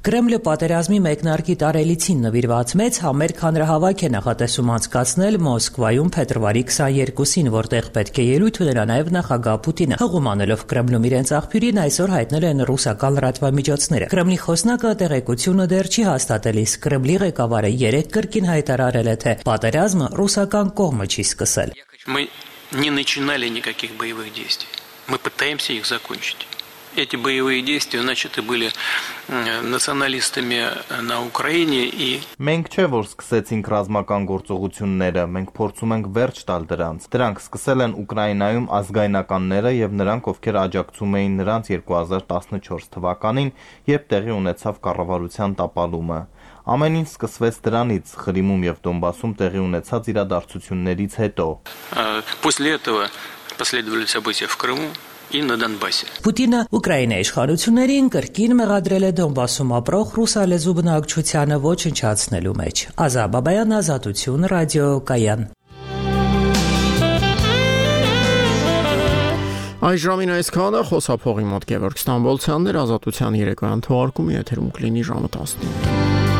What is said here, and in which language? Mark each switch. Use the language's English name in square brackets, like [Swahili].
[Armenian] Կրեմլը պատերազմի մեկնարկի տարելիցին նվիրված մեծ համերգ հանրահավաք է նախատեսում անցկացնել Մոսկվայում փետրվարի 22-ին, որտեղ պետք է ելույթ ունենա նաև նախագահ Պուտինը։ Հղումանելով Կրեմլում իրենց աղբյուրին, այսօր հայտնել են ռուսական ռադիոմիջոցները։ Կրեմլի խոսնակը տեղեկությունը դեռ չի հաստատել, իսկ Կրեմլի ղեկավարը 3 կրկին հայտարարել է, թե պատերազմը ռուսական կողմը չի սկսել։ [Russian] не начинали никаких боевых действий. Мы пытаемся их закончить. Эти боевые действия начаты были националистами на Украине и... [Armenian] Մենք չէ, որ սկսեցինք ռազմական գործողությունները, մենք փորձում ենք վերջ տալ դրանց։ Դրանք սկսել են Ուկրաինայում ազգայնականները եւ նրանք, ովքեր աջակցում էին նրանց 2014 թվականին, երբ տեղի ունեցավ կառավարության տապալումը։ Ամեն ինչ սկսվեց դրանից, Խրիմում եւ Դոնբասում տեղի ունեցած իրադարձություններից հետո։ [Russian] После этого последовали события в Крыму и на Донбассе. [Armenian] Պուտինը Ուկրաինայի իշխանություններին կրկին մեղադրել է Դոնբասում ապրող ռուսալեզու բնակչությանը ոչնչացնելու մեջ։ Ազա Բաբայան, Ազատություն, Ռադիո Կայան։ Այժմին այսքանը, խոսափողի մոտ Գևորգ Ստամբոլցյաններ, Ազատության 3-րդ թողարկումը եթերում կլինի ժամը 10:00-ին։